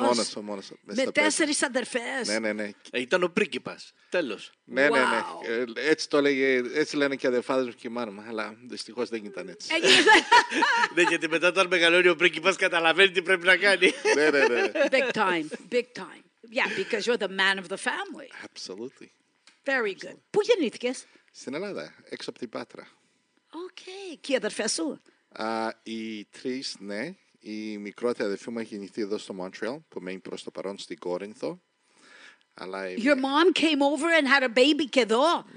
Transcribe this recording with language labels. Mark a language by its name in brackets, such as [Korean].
[Greek] Μόνος, ο μόνος. Με 4 αδερφές. Ναι, ναι, ναι. Ήταν ο πρίγκιπας. Τέλος. Ναι, ναι, ναι. Έτσι το λέγε, έτσι λένε και οι αδερφάδες μου και η μάνα μου. Αλλά δυστυχώς δεν ήταν έτσι. Ναι, γιατί μετά όταν μεγαλώνει ο πρίγκιπας καταλαβαίνει τι πρέπει να κάνει. Ναι, ναι, ναι. [English] Big time. Big time. Yeah, because you're the man of the family. Absolutely. Very good. [Greek] Πού γεννήθηκες? Στην Ελλάδα, έξω από την Πάτρα. Οκ. Και οι αδερφές σου? Οι τρεις, ναι. Η μικρότερη αδερφή μου έχει γεννηθεί εδώ στο Montreal, που μένει προς το παρόν στην Κόρινθο. Αλλά [English] your mom came over and had a baby [Greek] και εδώ.